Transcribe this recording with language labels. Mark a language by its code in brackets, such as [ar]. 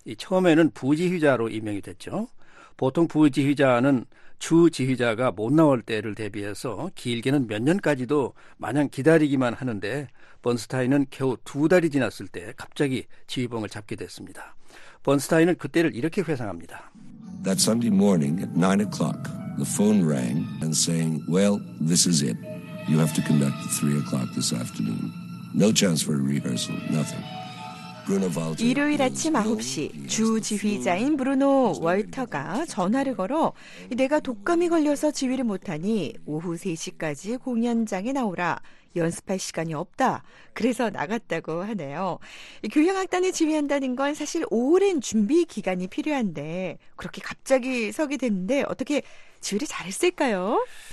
[ko] 처음에는 부지휘자로 임명이 됐죠. 보통 부지휘자는 주지휘자가 못 나올 때를 대비해서 길게는 몇 년까지도 마냥 기다리기만 하는데 번스타인은 겨우 두 달이 지났을 때 갑자기 지휘봉을 잡게 됐습니다. 번스타인은 그때를 이렇게 회상합니다. [en] That Sunday morning at 9 o'clock, the phone rang and saying, well, this is it. You have to conduct at 3 o'clock this afternoon. No chance for a rehearsal, nothing. [ko] 일요일 아침 9시 주 지휘자인 브루노 월터가 전화를 걸어 내가 독감이 걸려서 지휘를 못하니 오후 3시까지 공연장에 나오라. 연습할 시간이 없다. 그래서 나갔다고 하네요. 교향악단을 지휘한다는 건 사실 오랜 준비 기간이 필요한데 그렇게 갑자기 서게 됐는데 어떻게 지휘를 잘했을까요?